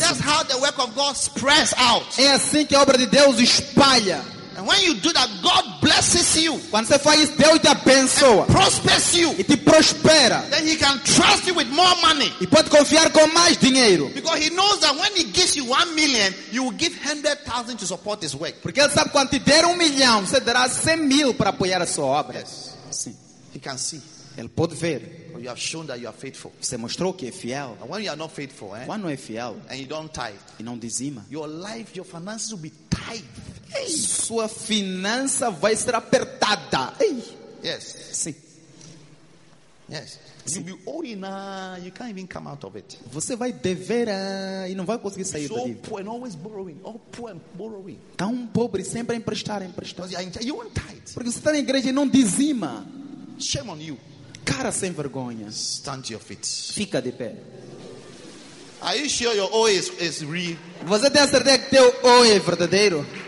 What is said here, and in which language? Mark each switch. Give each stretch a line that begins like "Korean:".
English: That's how the work of God spreads out.
Portuguese: É assim que a obra de Deus espalha.
English: And when you do that, God blesses you.
Portuguese: Quando você faz isso, Deus te abençoa.
English: And prospers you.
Portuguese: E te prospera.
English: Then he can trust you with more money.
Portuguese: E pode confiar com mais dinheiro.
English: Because he knows that when he gives you 1 million, you will give 100,000 to support his work.
Portuguese: Porque ele sabe quando te der 1 milhão, você dará 100,000 para apoiar a sua obra.
English: Yes.
Portuguese: Sim.
English: He can see.
Portuguese: Ele pode ver.
English: You have shown that you are faithful.
Portuguese: Você mostrou que é fiel.
English: And when you are not faithful, eh?
Portuguese: Quando é fiel,
English: and you don't tithe,
Portuguese: e não dizima,
English: your life, your finances will be tight.
Portuguese: Ei. Sua finança vai ser apertada. Ei.
English: Yes.
Portuguese: Sim.
English: Yes.
Portuguese: Sim.
English: You'll be owing, you can't even come out of it.
Portuguese: Você vai dever, e não vai conseguir sair daí.
English: So poor and always borrowing, all poor and borrowing.
Portuguese: Tão pobre, sempre emprestar.
English: You won't tithe.
Portuguese: Porque você está na igreja e não dizima.
English: Shame on you.
Portuguese: Cara sem vergonha.
English: Stand to your feet.
Portuguese: Fica de pé.
English: Are you sure your O is real?
Portuguese: Você tem certeza que teu O é verdadeiro?